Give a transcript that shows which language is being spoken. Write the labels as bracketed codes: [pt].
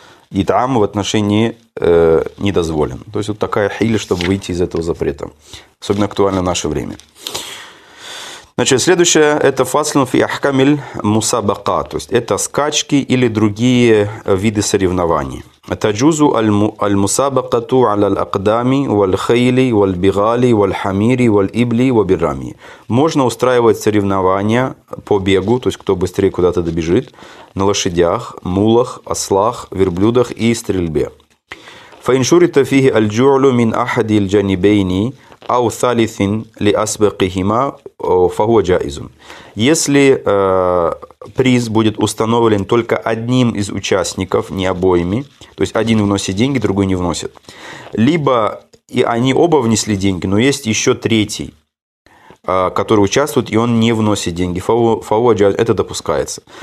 [ru] Итам в отношении не дозволен. То есть, вот такая хиля, чтобы выйти из этого запрета. Особенно актуально в наше время. Значит, следующее – это [ar] фаслун фи ахкамиль мусабака. [ru] То есть, это скачки или другие виды соревнований. [ar] تجوز المسابقة على الأقدام والخيل والبغال والحمير والإبل وبالرمي. [ru] Можно устраивать соревнования по бегу, то есть кто быстрее куда-то добежит, на лошадях, мулах, ослах, верблюдах и стрельбе. [ar] فإن شرط فيه الجوع من أحد الجانبين أو ثالث لأسبقهما فهو جائز. [ru] Если приз будет установлен только одним из участников, не обоими, то есть один вносит деньги, другой не вносит, либо и они оба внесли деньги, но есть еще третий, который участвует, и он не вносит деньги, это допускается.